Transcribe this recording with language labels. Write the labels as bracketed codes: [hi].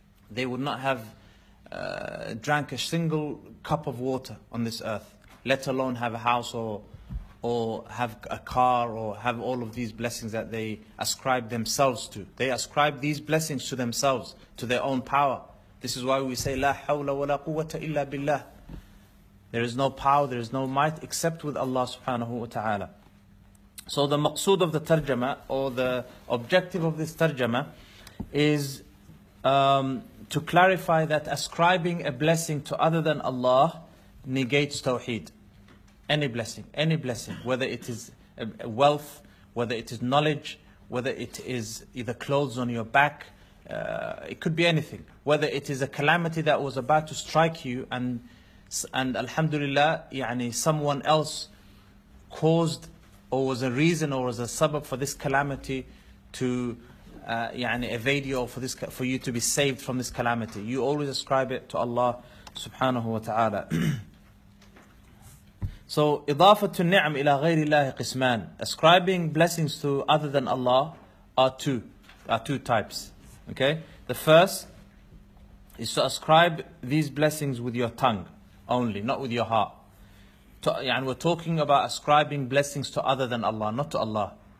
[en] They would not have drank a single cup of water on this earth, let alone have a house or have a car or have all of these blessings that they ascribe themselves to. They ascribe these blessings to themselves, to their own power. This is why we say, [ar] لا حول ولا قوة إلا بالله. [en] There is no power, there is no might except with Allah subhanahu wa ta'ala. So the maqsood of the tarjama, or the objective of this tarjama, is to clarify that ascribing a blessing to other than Allah negates tawheed. Any blessing, whether it is wealth, whether it is knowledge, whether it is either clothes on your back, it could be anything. Whether it is a calamity that was about to strike you and alhamdulillah, يعني, someone else caused or was a reason or was a sabab for this calamity to يعني, evade you or for you to be saved from this calamity. You always ascribe it to Allah subhanahu wa ta'ala. [ar] So, إضافة النعم إلى غير الله قسمان. [en] Ascribing blessings to other than Allah are two types. Okay, the first is to ascribe these blessings with your tongue only, not with your heart. And we're talking about ascribing blessings to other than Allah, not to Allah.